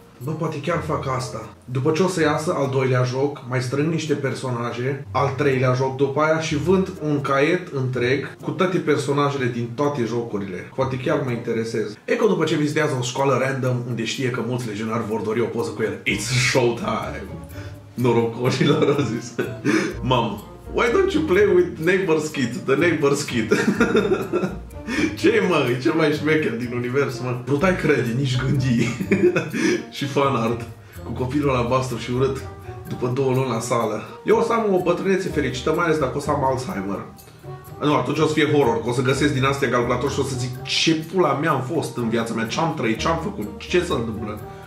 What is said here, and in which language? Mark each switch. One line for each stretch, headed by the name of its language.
Romanian: Bă, poate chiar fac asta. După ce o să iasă al doilea joc, mai strâng niște personaje, al treilea joc după aia și vând un caiet întreg cu toate personajele din toate jocurile. Poate chiar mă interesez. Eco, după ce vizitează o școală random unde știe că mulți legionari vor dori o poză cu el,
English: it's showtime!
Romanian: Norocoșilor a zis.
English: Mamă, why don't you play with neighbor's kid? The neighbor's kid.
Romanian: Ce, mă, e cel mai șmecher din univers, mă. Brutai crede, nici gândi. Și fan art cu copilul albastru și urât după două luni la sală. Eu o să am o bătrânețe fericită, mai ales dacă o să am Alzheimer. Nu, atunci o să fie horror, că o să găsesc din astea calculator și o să zic ce pula mea am fost în viața mea, ce-am trăit, ce-am făcut, ce se întâmplă.